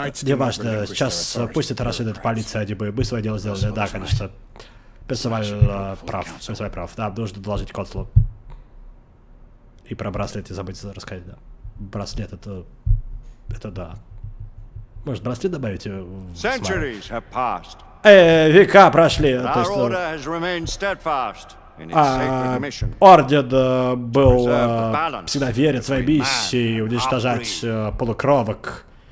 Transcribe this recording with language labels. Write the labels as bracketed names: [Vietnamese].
[Russian] Не важно, сейчас пусть это расследует полиция, они бы мы свое дело сделали. Да, конечно. Персональ прав. Да, нужно доложить консулу. И про браслет не забыть рассказать, да. Браслет это да. Может, браслет добавить? [English] Centuries have passed. [Russian] Века прошли. [English] Our order has remained steadfast in its sacred mission. [Russian] Орден был всегда верен своей миссии уничтожать полукровок.